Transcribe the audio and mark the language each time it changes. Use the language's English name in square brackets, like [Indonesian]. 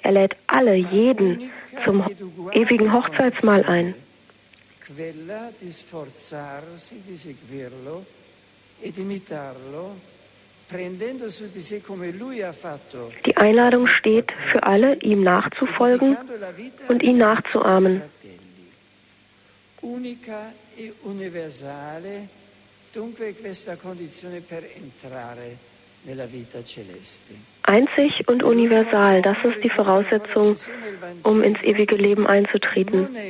[German] Er lädt alle, jeden, zum ewigen Hochzeitsmahl ein. [Italian] Quella di sforzarsi di seguirlo e di imitarlo, prendendo su di sé come lui ha fatto. [German] Die Einladung steht für alle, ihm nachzufolgen und ihn nachzuahmen. [Italian] Unica e universale, dunque questa condizione per entrare nella vita celeste. [German] Einzig und universal, das ist die Voraussetzung, um ins ewige Leben einzutreten.